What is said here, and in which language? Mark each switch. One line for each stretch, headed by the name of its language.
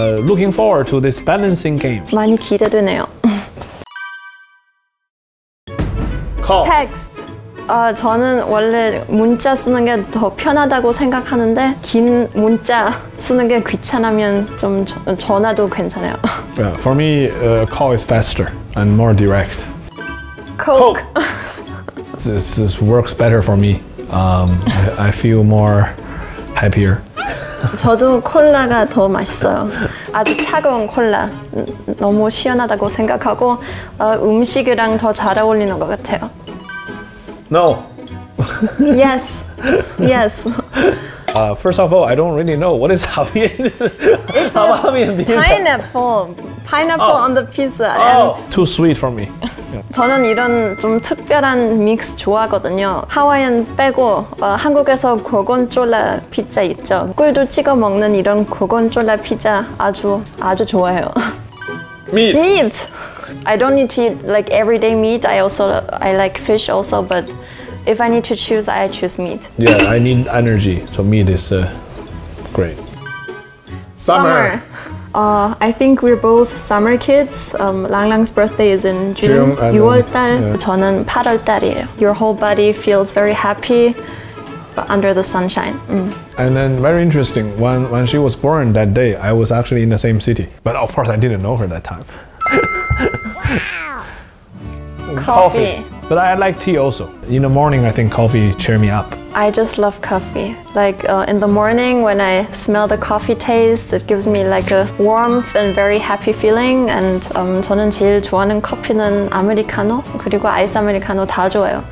English: Looking forward to this balancing game.
Korean: 많이 기대되네요.
English: Call. Text.
Korean: 저는 원래 문자 쓰는 게 더 편하다고 생각하는데 긴 문자 쓰는 게 귀찮으면 좀 전화도 괜찮아요.
English: Yeah, for me, call is faster and more direct. Coke. This works better for me. I feel more happier.
Korean: 저도 콜라가 더 맛있어요. 아주 차가운 콜라. 너무 시원하다고 생각하고 음식이랑 더 잘 어울리는 것 같아요.
English: No. Yes. Yes. First of all, I don't really know what is Hawaiian. It's Hawaiian pizza. Pineapple on the pizza. Oh, and too sweet for me.
Korean: 저는 이런 좀 특별한 믹스 좋아하거든요. 하와이안 빼고 한국에서 고곤졸라 피자 있죠. 꿀도 찍어 먹는 이런 고곤졸라 피자 아주 좋아해요.
English: Meat. Meat. I don't need to eat like everyday meat. I like fish also, but if I need to choose, I choose meat. Yeah, I need energy, so meat is great. Summer. I think we're both summer kids. Lang Lang's birthday is in June.
Korean: 6월 달.
English: Yeah.
Korean: 저는 8월 달이에요.
English: Your whole body feels very happy under the sunshine. Mm. And then very interesting, when she was born that day, I was actually in the same city. But of course, I didn't know her that time. Coffee. But I like tea also. In the morning, I think coffee cheer me up. I just love coffee. Like in the morning when I smell the coffee taste, it gives me like a warmth and very happy feeling. And
Korean: 저는 제일 좋아하는 커피는 아메리카노, 그리고 아이스 아메리카노 다 좋아요.